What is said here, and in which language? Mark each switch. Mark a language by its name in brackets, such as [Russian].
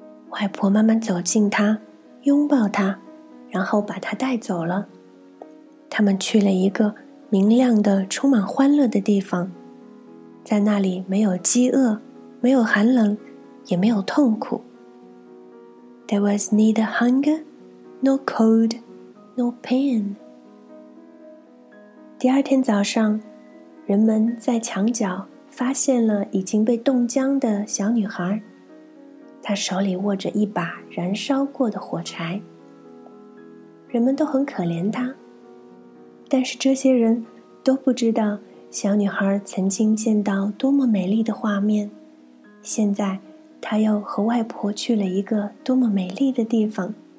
[Chinese] 外婆慢慢走近她，拥抱她，然后把她带走了。他们去了一个明亮的充满欢乐的地方。在那里没有饥饿，没有寒冷，也没有痛苦。 [English] There was neither hunger, nor cold, nor pain. [Chinese] 第二天早上，人们在墙角发现了已经被冻僵的小女孩，她手里握着一把燃烧过的火柴。人们都很可怜她，但是这些人都不知道小女孩曾经见到多么美丽的画面，现在她又和外婆去了一个多么美丽的地方。